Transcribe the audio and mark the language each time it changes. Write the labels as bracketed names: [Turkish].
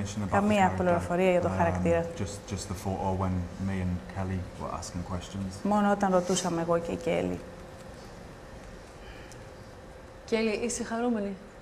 [Greek] Καμία πληροφορία για το χαρακτήρα. [English] Just the photo when me and Kelly were asking questions. [Greek] Μόνο όταν ρωτούσαμε εγώ και η Kelly. Kelly, είσαι χαρούμενη?